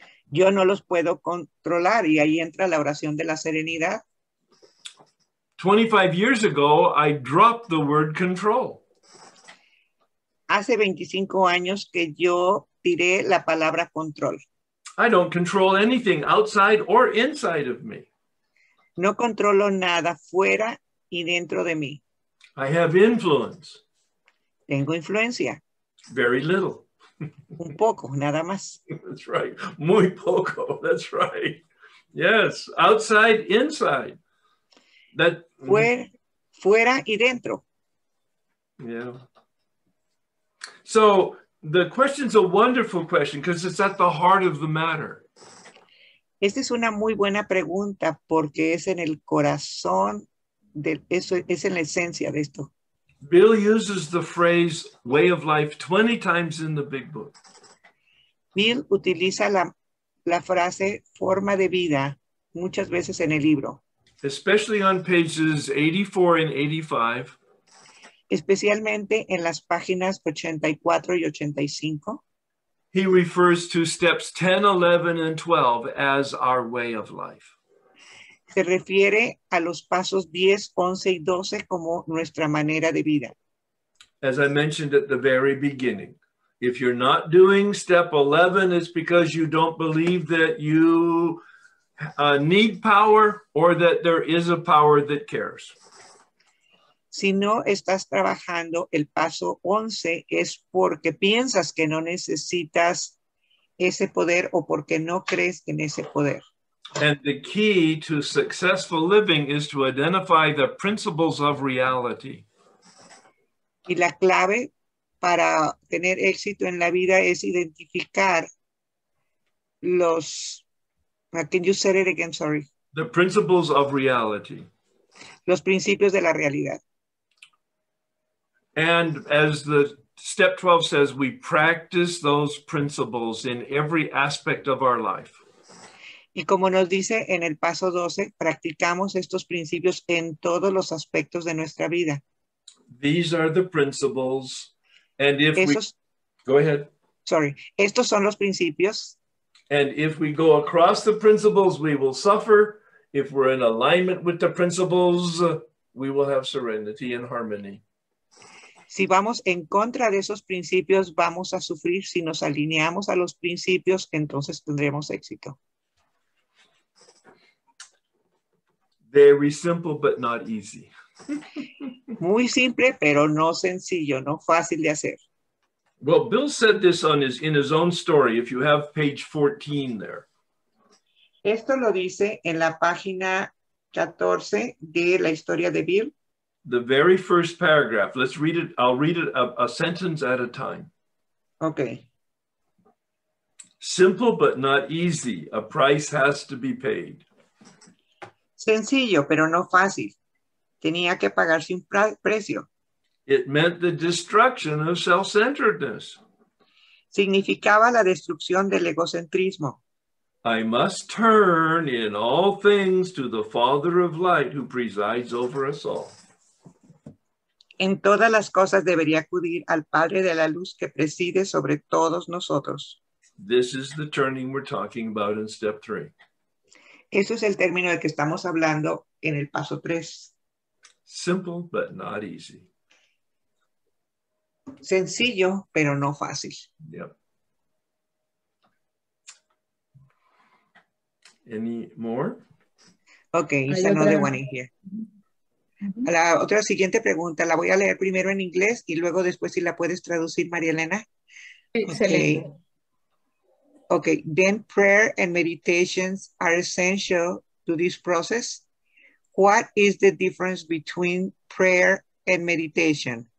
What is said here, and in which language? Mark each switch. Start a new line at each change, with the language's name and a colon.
Spanish: Yo no los puedo controlar y ahí entra la oración de la serenidad.
English: 25 years ago, I dropped the word control.
Spanish: Hace 25 años que yo tiré la palabra control.
English: I don't control anything outside or inside of me.
Spanish: No controlo nada fuera y dentro de mí.
English: I have influence.
Spanish: Tengo influencia.
English: Very little.
Spanish: Un poco, nada más.
English: That's right.
Spanish: Muy poco.
English: That's right. Yes. Outside, inside. That
Spanish: fuera y dentro.
English: Yeah. So the question's a wonderful question because it's at the heart of the matter.
Spanish: Esta es una muy buena pregunta porque es en el corazón de eso, es en la esencia de esto.
English: Bill uses the phrase way of life 20 times in the big book.
Spanish: Bill utiliza la frase forma de vida muchas veces en el libro.
English: Especially on pages 84 and 85.
Spanish: Especialmente en las páginas 84 y 85.
English: He refers to steps 10, 11, and 12 as our way of life.
Spanish: Se refiere a los pasos 10, 11 y 12 como nuestra manera de vida.
English: As I mentioned at the very beginning, if you're not doing step 11, it's because you don't believe that you need power or that there is a power that cares.
Spanish: Si no estás trabajando el paso 11 es porque piensas que no necesitas ese poder o porque no crees en ese poder.
English: And the key to successful living is to identify the principles of reality.
Spanish: Y la clave para tener éxito en la vida es identificar los...
English: Can you say it again? Sorry. The principles of reality.
Spanish: Los principios de la realidad.
English: And as the step 12 says, we practice those principles in every aspect of our life.
Spanish: Y como nos dice en el paso 12, practicamos estos principios en todos los aspectos de nuestra vida.
English: These are the principles. And if go ahead. Sorry.
Spanish: Estos son los principios.
English: And if we go across the principles, we will suffer. If we're in alignment with the principles, we will have serenity and harmony.
Spanish: Si vamos en contra de esos principios, vamos a sufrir. Si nos alineamos a los principios, entonces tendremos éxito.
English: Very simple, but not easy.
Spanish: Muy simple, pero no sencillo, no fácil de hacer.
English: Well, Bill said this in his own story, if you have page 14 there.
Spanish: Esto lo dice en la página 14 de la historia de Bill.
English: The very first paragraph. Let's read it. I'll read it a sentence at a time. Okay. Simple but not easy. A price has to be paid.
Spanish: Sencillo, pero no fácil. Tenía que pagarse un precio.
English: It meant the destruction of self-centeredness.
Spanish: Significaba la destrucción del egocentrismo.
English: I must turn in all things to the Father of Light who presides over us all.
Spanish: En todas las cosas debería acudir al Padre de la Luz que preside sobre todos nosotros.
English: This is the turning we're talking about in step three.
Spanish: Eso es el término del que estamos hablando en el paso tres.
English: Simple but not easy.
Spanish: Sencillo, pero no fácil.
English: Yep. Any more? Okay, it's another one in here.
Spanish: La otra siguiente pregunta la voy a leer primero en inglés y luego después si la puedes traducir, María Elena. Excelente.
English: Okay, then prayer and meditations are essential to this process. What is the difference between prayer and meditation?